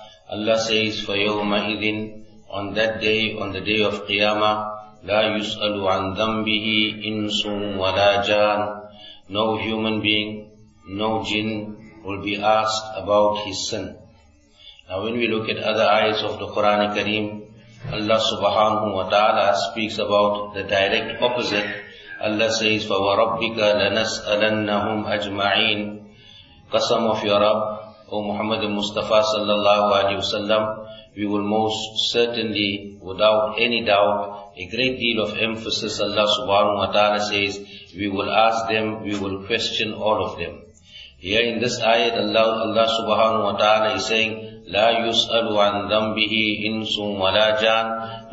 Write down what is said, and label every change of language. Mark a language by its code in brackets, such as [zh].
[en] Allah says, [ar] فَيَوْمَ إِذٍ, [en] on that day, on the day of Qiyamah, [ar] لا يسأل عن ذنبه إنس ولا جان. [en] No human being, no jinn will be asked about his sin. Now when we look at other ayahs of the Qur'an Kareem, Allah subhanahu wa ta'ala speaks about the direct opposite. Allah says, [ar] فَوَرَبِّكَ لَنَسْأَلَنَّهُمْ أَجْمَعِينَ. [en] Qasam of your Rabb, O Muhammad al-Mustafa sallallahu alayhi wa sallam, we will most certainly, without any doubt, a great deal of emphasis, Allah subhanahu wa ta'ala says, we will ask them, we will question all of them. Here in this ayat, Allah subhanahu wa ta'ala is saying, [ar] لَا يُسْأَلُ عَنْ ذَنْبِهِ إِنْسٌ وَلَا جَانٌ.